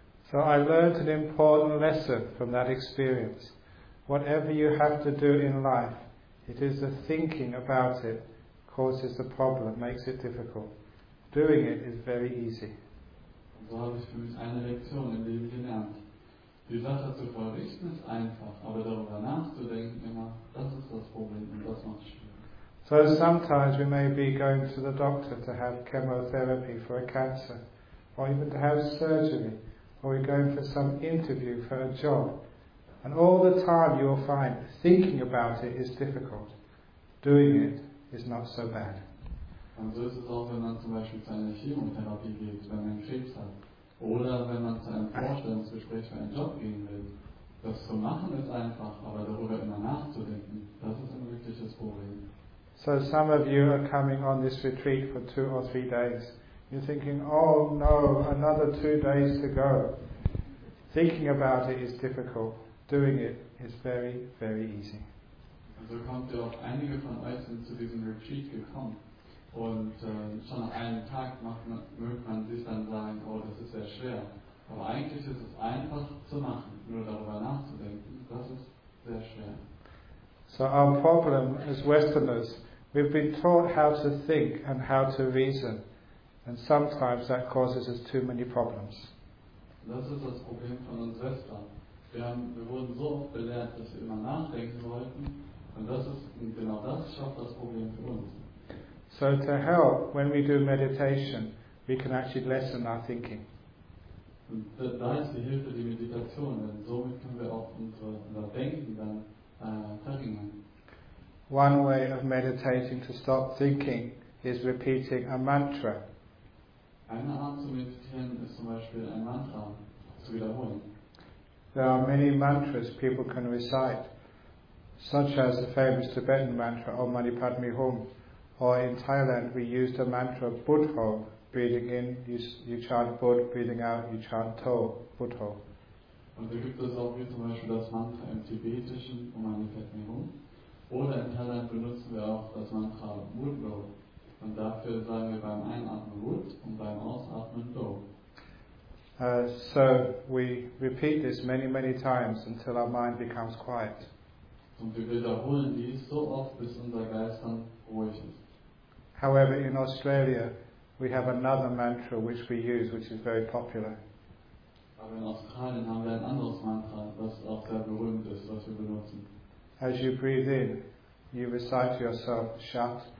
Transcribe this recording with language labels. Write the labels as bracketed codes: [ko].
[en] So I learned an important lesson from that experience. Whatever you have to do in life, it is the thinking about it causes the problem, makes it difficult. Doing it is very easy. [de] So habe ich für mich eine Lektion im Leben gelernt. Die Sache zu verrichten ist einfach, aber darüber nachzudenken immer, das ist das Problem und das macht es schwierig. [en] So sometimes we may be going to the doctor to have chemotherapy for a cancer, or even to have surgery, or we're going for some interview for a job. And all the time you'll find thinking about it is difficult. Doing it is not so bad. [de] Und so ist es auch, wenn man zum Beispiel zu einer Chemotherapie geht, wenn man Krebs hat. Oder wenn man zu einem Vorstellungsgespräch für einen Job gehen will. Das zu machen ist einfach, aber darüber immer nachzudenken, das ist ein wirkliches Problem. [en] So some of you are coming on this retreat for 2 or 3 days. You're thinking, oh no, another 2 days to go. Thinking about it is difficult. Doing it is very, very easy. [de] Also kommt ihr auch einige von euch sind zu diesem Retreat gekommen. Und schon nach einem Tag mögt man sich dann sagen, oh, das ist sehr schwer. Aber eigentlich ist es einfach zu machen, nur darüber nachzudenken, das ist sehr schwer. [en] So our problem as Westerners, we've been taught how to think and how to reason. And sometimes that causes us too many problems. [de] Das ist das Problem von uns Westlern. Wir wurden so oft belehrt, dass wir immer nachdenken sollten. Und das ist, genau das schafft das Problem für uns. [en] So to help, when we do meditation, we can actually lessen our thinking. [de] Und da ist die Hilfe, die Meditation, denn somit können wir auch unser Denken dann verringern. [en] One way of meditating to stop thinking is repeating a mantra. [de] Eine Art zu meditieren ist zum Beispiel ein Mantra zu wiederholen. [en] There are many mantras people can recite, such as the famous Tibetan mantra Om Mani Padme Hum, or in Thailand we use the mantra Buddho, breathing in you chant Bud, breathing out you chant To, Buddho. [de] Und da gibt es auch wie zum Beispiel das Mantra im Tibetischen Om Mani Padme Hum, oder in Thailand benutzen wir auch das Mantra Buddho. Und dafür sagen wir beim Einatmen Bud und beim Ausatmen Do. [en] So we repeat this many, many times until our mind becomes quiet. [de] Und wir wiederholen dies so oft, bis unser Geist dann ruhig ist. [en] However, in Australia, we have another mantra which we use, which is very popular. [de] Aber in Australien haben wir ein anderes Mantra, das auch sehr berühmt ist, was wir benutzen. [en] As you breathe in, you recite to yourself, shut.